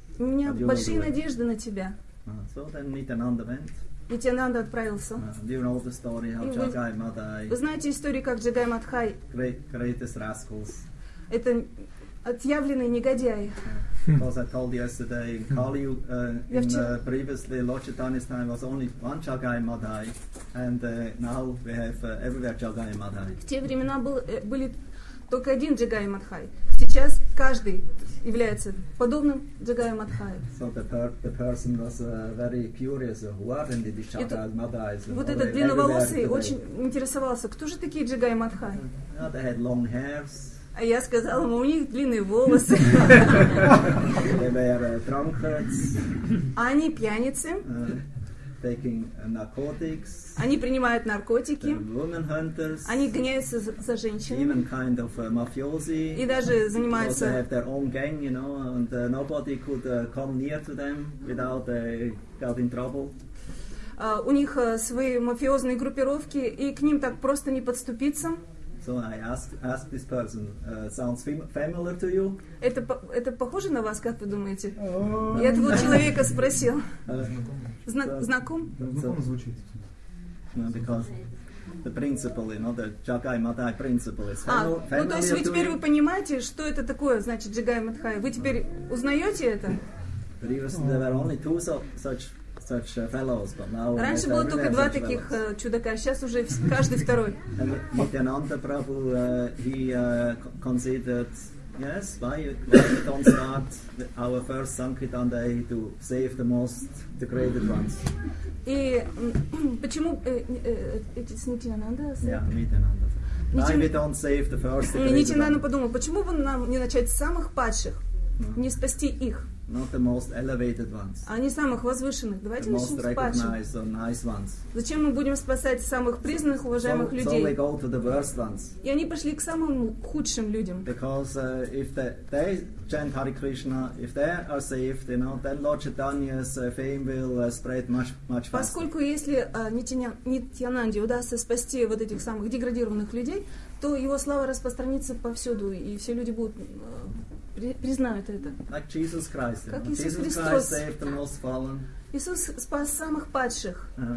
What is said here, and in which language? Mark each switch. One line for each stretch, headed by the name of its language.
Russian: У меня большие надежды на тебя.
English: So then Nitananda went.
Russian: Nitananda отправился.
English: Do you know the story how Jagai Madhai?
Russian: Вы знаете историю, как Джагай Мадхай?
English: Greatest rascals.
Russian: Это отъявленные негодяи.
English: Because I told yesterday in Kali Yuga, previously Lord Chaitanya's time was only one Jagai Madhai, and now we have everywhere Jagai Madhai.
Russian: В те времена были только один Джагай Мадхай. Сейчас каждый является подобным Джагай Мадхай.
English: So the person was very curious. Who are the Джагай Мадхай?
Russian: Вот этот длинноволосый очень интересовался, кто же такие Джагай Мадхай?
English: They had long hairs.
Russian: А я сказала ему, у них длинные волосы.
English: They were drunkards.
Russian: Они пьяницы.
English: Taking narcotics.
Russian: Они принимают наркотики.
English: Women hunters.
Russian: Они гоняются за женщинами.
English: Even kind of mafiosi.
Russian: И даже занимаются.
English: They have their own gang, you know, and nobody could come near to them without getting trouble.
Russian: У них свои мафиозные группировки, и к ним так просто не подступиться.
English: So I ask this person, sounds familiar to you?
Russian: Это похоже на вас, как вы думаете? Я этого человека спросил. Знаком? Знаком звучит.
English: Because the principle, you know, the Jagai Madhai principle is familiar.
Russian: Ну, то есть вы теперь вы понимаете, что это такое, значит, Джагай Мадхай. Вы теперь узнаете это?
English: Previously there were only two such fellows, but now
Russian: раньше было только два таких чудака, сейчас уже каждый второй.
English: Nityananda Prabhu, considered. Yes, why we don't start our first Sankirtan day to save the most degraded ones?
Russian: И почему
English: it's
Russian: Nityananda?
English: Yeah, Nityananda. Why we don't save the first degraded ones?
Russian: Nityananda подумал, почему бы нам не начать с самых падших, не спасти их?
English: Not the most elevated ones.
Russian: А не самых возвышенных. Давайте начнем с падших. Зачем мы будем спасать самых признанных, уважаемых людей?
English: So they go to the worst ones.
Russian: И они пошли к самым худшим людям.
English: Because if they chant Hare Krishna, if they are saved, you know, then Lord Chaitanya's fame will spread much faster.
Russian: Поскольку если Нитьянанде удастся спасти вот этих самых деградированных людей, то его слава распространится повсюду, и все люди будут признают это.
English: Like Jesus Christ,
Russian: как
English: you know?
Russian: Иисус
English: Jesus
Russian: Христос.
English: Christ saved the most fallen.
Russian: Иисус спас самых падших.